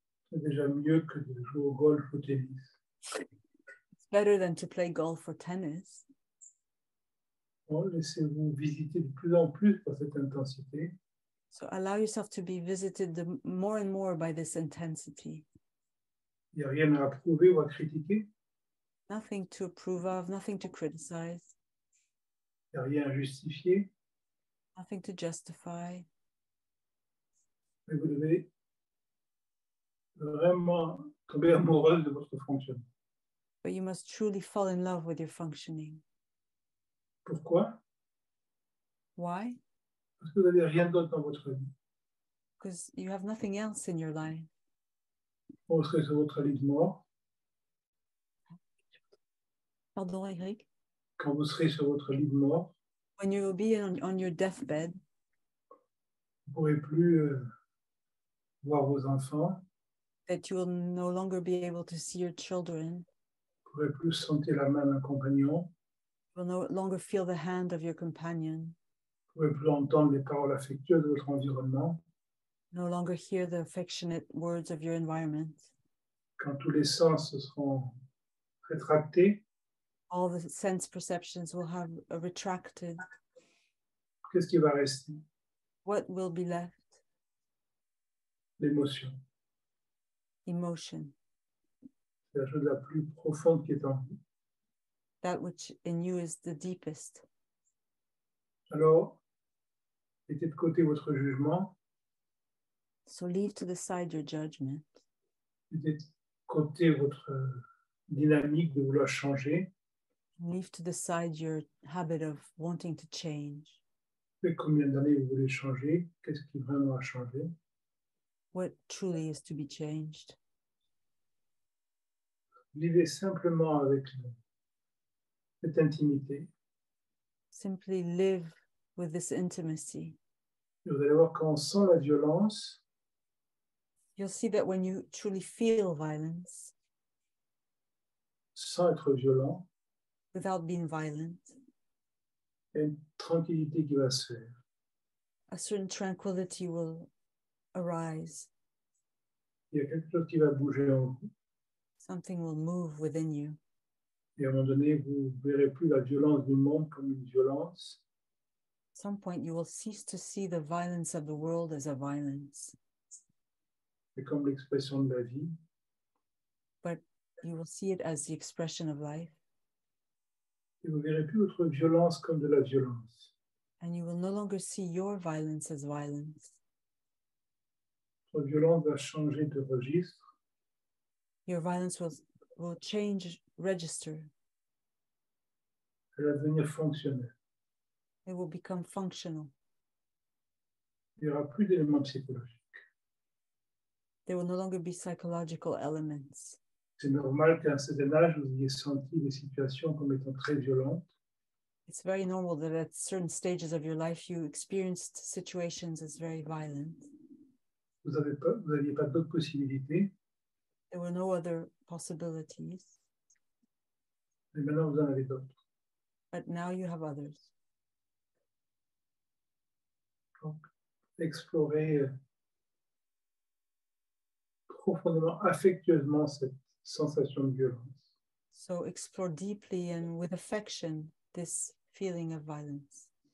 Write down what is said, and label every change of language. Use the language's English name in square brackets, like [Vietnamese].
[French] C'est déjà mieux que de jouer au golf ou au tennis. [English] Better than to play golf or tennis. [French] Bon, laissez-vous visiter de plus en plus par cette intensité. [English] So allow yourself to be visited more and more by this intensity. [French] Il n'y a rien à approuver ou à critiquer. [English] Nothing to approve of, nothing to criticize. [French] Il n'y a rien à justifier. [English] Nothing to justify. [French] Mais vous devez vraiment tomber amoureux de votre fonctionnement. [English] But you must truly fall in love with your functioning. [French] Pourquoi? [English] Why? [French] Parce que vous n'avez rien d'autre dans votre vie. [English] Because you have nothing else in your life. [French] Vous serez sur votre lit de mort. Pardon, Eric? Quand vous serez sur votre lit de mort. [English] When you will be on your deathbed. [French] Vous ne pourrez plus voir vos enfants. [English] That you will no longer be able to see your children. [French] Vous ne pourrez plus sentir la main d'un compagnon. [English] You will no longer feel the hand of your companion. [French] Vous ne pourrez plus entendre les paroles affectueuses de votre environnement. [English] No longer hear the affectionate words of your environment. [French] Quand tous les sens seront rétractés. [English] All the sense perceptions will have retracted. [French] Qu'est-ce qui va rester? [English] What will be left? [French] L'émotion. [English] Emotion. [French] La chose la plus profonde qui est en vous. [English] That which in you is the deepest. [French] Alors, Mettez de côté votre jugement. [English] So leave to the side your judgment. [French] Mettez de côté votre dynamique de vouloir changer. [English] Leave to the side your habit of wanting to change. [French] Mais combien d'années vous voulez changer? Qu'est-ce qui vraiment a changé? [English] What truly is to be changed? [French] Vivez simplement avec cette intimité. [English] Simply live with this intimacy. [French] Et vous allez voir quand on sent la violence. [English] You'll see that when you truly feel violence. [French] Sans être violent. [English] Without being violent. [French] Une tranquillité qui va se faire. [English] A certain tranquility will arise. [French] Il y a quelque chose qui va bouger en vous. [English] Something will move within you. [French] Et à un moment donné, vous ne verrez plus la violence du monde comme une violence. [English] At some point, you will cease to see the violence of the world as a violence. [French] Et comme l'expression de la vie. [English] But you will see it as the expression of life. [French] Et vous ne verrez plus votre violence comme de la violence. [English] And you will no longer see your violence as violence. [French] Votre violence va changer de registre. [English] Your violence will change register. [French] Elle va devenir fonctionnelle. [English] It will become functional. [French] Il n'y aura plus d'éléments psychologiques. [English] There will no longer be psychological elements. [French] C'est normal qu'à un certain âge, vous ayez senti les situations comme étant très violentes. [English] It's very normal that at certain stages of your life, you experienced situations as very violent. [French] Vous n'aviez pas d'autres possibilités. [English] There were no other possibilities. [French] Mais maintenant, vous en avez d'autres. [English] But now you have others. [French] Donc, explorez profondément, affectueusement cette sensation de violence. [English] So explore deeply and with affection this feeling of violence.